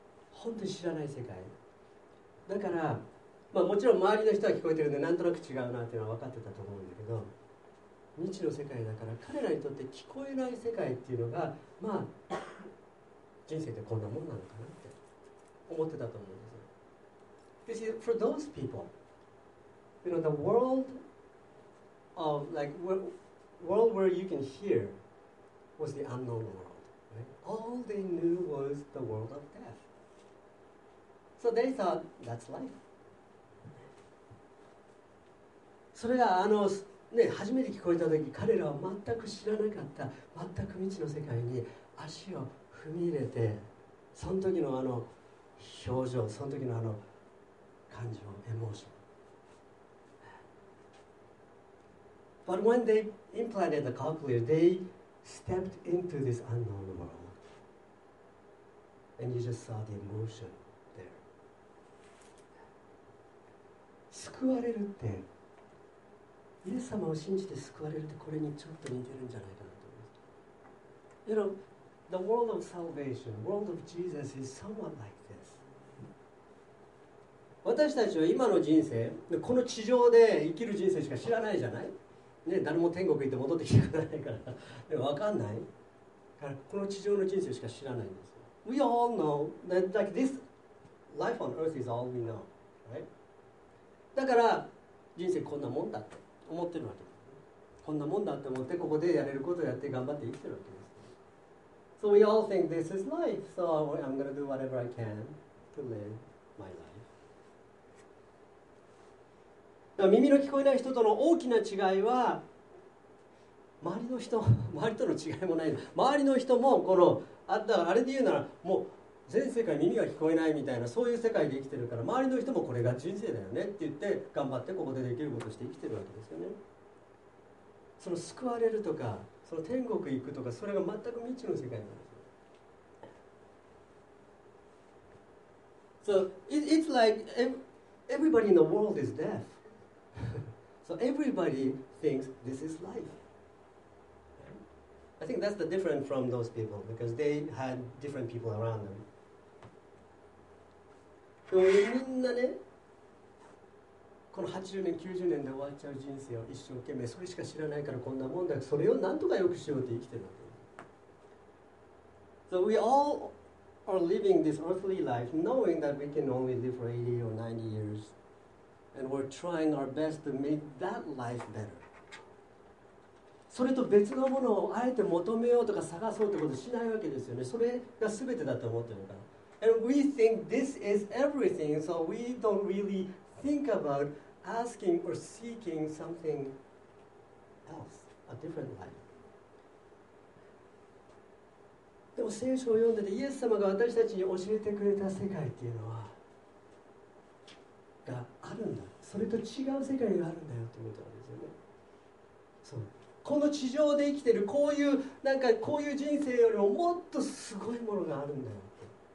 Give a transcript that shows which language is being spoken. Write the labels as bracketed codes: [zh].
[ja] 本当に知らない世界だから、まあ、もちろん周りの人は聞こえてるんでなんとなく違うなっていうのは分かってたと思うんだけど、未知の世界だから彼らにとって聞こえない世界っていうのがまあ人生ってこんなもんなのかなって思ってたと思うんですよ。 [en] You see, for those people, you know, the world of like world where you can hear was the unknown world, right? All they knew was the world of death. So they thought, that's life. [ja] それがあの、ね、初めて聞こえた時、彼らは全く知らなかった、全く未知の世界に足を踏み入れて、その時のあの表情、その時のあの感情、エモーション。 [en] But when they implanted the cochlear, they stepped into this unknown world. And you just saw the emotion there. [ja] 救われるって、イエス様を信じて救われるってこれにちょっと似てるんじゃないかなと思います。 [en] You know, the world of salvation, the world of Jesus is somewhat like this. [ja] 私たちは今の人生、この地上で生きる人生しか知らないじゃない？ね、誰も天国行って戻ってきてくれないから、でも分かんない。からこの地上の人生しか知らないんですよ。 [en] We all know that like this life on earth is all we know, right? [ja] だから人生こんなもんだって思ってるわけです。こんなもんだって思ってここでやれることをやって頑張って生きてるわけです。 [en] So we all think this is life, so I'm going to do whatever I can to live my life. [ja] 耳の聞こえない人との大きな違いは周りの人、周りとの違いもない。周りの人もこのあったあれで言うならもう全世界耳が聞こえないみたいなそういう世界で生きてるから周りの人もこれが人生だよねって言って頑張ってここでできることして生きてるわけですよね。その救われるとかその天国行くとかそれが全く未知の世界なんです。 [en] So it's like everybody in the world is death So everybody thinks this is life. I think that's the difference from those people because they had different people around them. [ja] でもみんなね、この80年、90年で終わっちゃう人生を一生懸命、それしか知らないからこんなもんだ、それをなんとかよくしようって生きてるわけ。 [en] So we all are living this earthly life knowing that we can only live for 80 or 90 years. And we're trying our best to make that life better. [ja] それと別のものをあえて求めようとか探そうってことしないわけですよね。それが全てだと思ってるから。 [en] And we think this is everything, so we don't really think about asking or seeking something else, a different life. [ja] でも聖書を読んでて、イエス様が私たちに教えてくれた世界っていうのは、があるんだ。それと違う世界があるんだよってことなんですよね。そう、この地上で生きてるこういうなんかこういう人生よりももっとすごいものがあるんだよって。